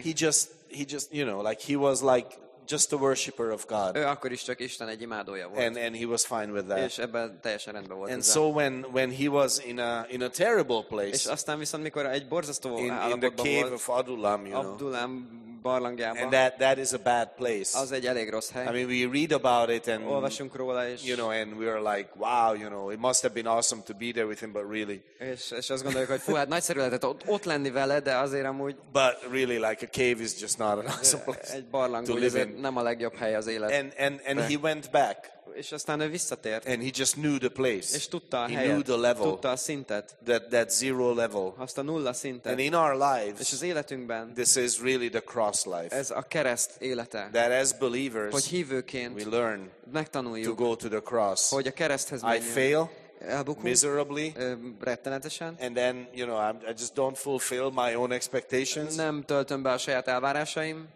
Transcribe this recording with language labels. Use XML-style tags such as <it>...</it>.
<en>he just you know, like he was like just a worshipper of God.</en> <hu>Ő akkor is csak Isten egy imádója volt.</hu> <en>And he was fine with that.</en> <hu>És ebben teljesen rendben volt.</hu> <en>And so when he was in a terrible place.</en> <hu>És aztán viszont mikor egy borzasztó állapotban volt.</hu> <en>In the cave of Adullam, you know.</en> <hu>Adullam barlangjában.</hu> <en>And that is a bad place.</en> <hu>Az egy elég rossz hely.</hu> <en>I mean, we read about it and</en> <hu>olvasunk róla is.</hu> <en>You know, and we are like, wow, you know, it must have been awesome to be there with him, but really.</en> <hu>És azt gondoljuk, hogy fú, hát nagyszerű lehetett ott lenni vele, de azért amúgy.</hu> <en>But really, like a cave is just not an awesome place.</en> <hu>Egy barlang,</hu> <en>to live in.</en> <hu>Nem a legjobb hely az élet.</hu> <en>And he went back.</en> <hu>És aztán ő visszatért.</hu> <en>And he just knew the place.</en> <hu>És tudta a</hu> <en>he</en> <hu>helyet.</hu> <en>Knew the level.</en> <hu>Tudta a szintet.</hu> <en>That zero level.</en> <hu>Azt a nulla szintet.</hu> <en>And in our lives.</en> <hu>És az életünkben.</hu> <en>This is really the cross life.</en> <hu>Ez a kereszt élete.</hu> <en>That as believers.</en> <hu>Hogy hívőként.</hu> <en>We learn.</en> <hu>Megtanuljuk.</hu> <en>To go to the cross.</en> <hu>Hogy a kereszthez menjünk.</hu> <en>I fail.</en> <hu>Elbukunk,</hu> <en>miserably.</en> <hu>Rettenetesen.</hu> <en>And then, you know, I just don't fulfill my own expectations.</en> <hu>Nem töltöm be a saját elvárásaim.</hu>